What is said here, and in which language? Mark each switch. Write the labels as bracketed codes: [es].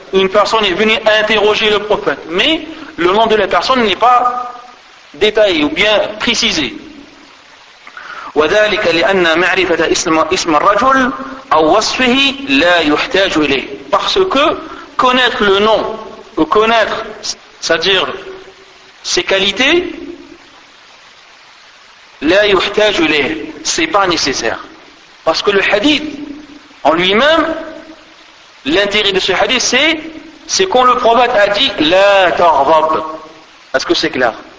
[fr] Une personne est venue interroger le prophète. Mais le nom de la personne n'est pas détaillé ou bien précisé. [ar] وذلك لأن معرفة اسم الرجل أو وصفه لا يحتاج إليه. [fr] Parce que connaître le nom ou connaître, c'est-à-dire ses qualités, [ar] لا يحتاج إليه, [fr] c'est pas nécessaire. Parce que le hadith en lui-même, l'intérêt de ce hadith, c'est quand le prophète a dit [ar] لا تغضب. [fr] Est-ce que c'est clair?